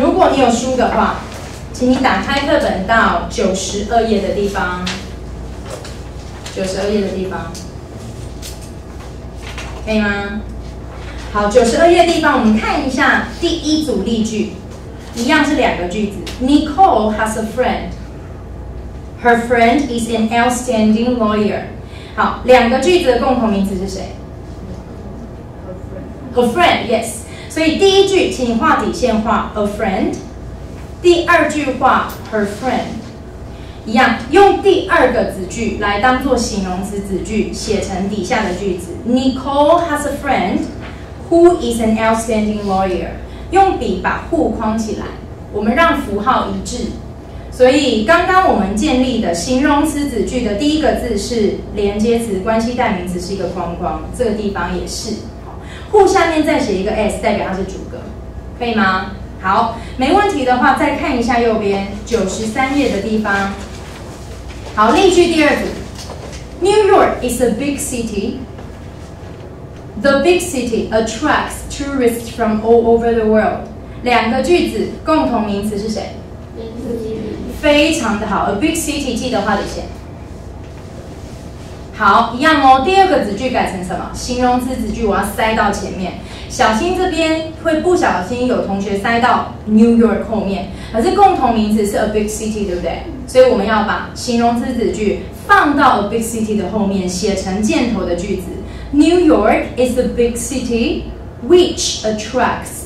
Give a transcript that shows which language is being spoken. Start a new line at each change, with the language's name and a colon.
Chinese: 如果你有书的话，请你打开课本到92页的地方，92页的地方，可以吗？好，92页的地方，我们看一下第一组例句，一样是两个句子。
English: Nicole has a friend. Her friend is an outstanding lawyer.
Chinese: 好，两个句子的共同名词是谁？
English: Her friend. Her friend, yes.
Chinese: 所以第一句，请画底线，画 a friend. 第二句画 her friend. 一样，用第二个子句来当作形容词子句，写成底下的句子。
English: Nicole has a friend who is an outstanding lawyer.
Chinese: 用笔把 who 框起来。我们让符号一致，所以刚刚我们建立的形容词子句的第一个字是连接词，关系代名词是一个框框，这个地方也是。 Who 下面再写一个 s， 代表它是主格，可以吗？好，没问题的话，再看一下右边93页的地方。好，例句第二组
English: ，New York is a big city. The big city attracts tourists from all over the world.
Chinese: 两个句子共同名词是谁？名词。非常的好 ，a big city， 记得画底线。好，一样哦。第二个子句改成什么？形容词子句，我要塞到前面，小心这边会不小心有同学塞到 New York 后面。可是共同名词是 a big city， 对不对？所以我们要把形容词子句放到 a big city 的后面，写成箭头的句子。
English: New York is a big city which attracts.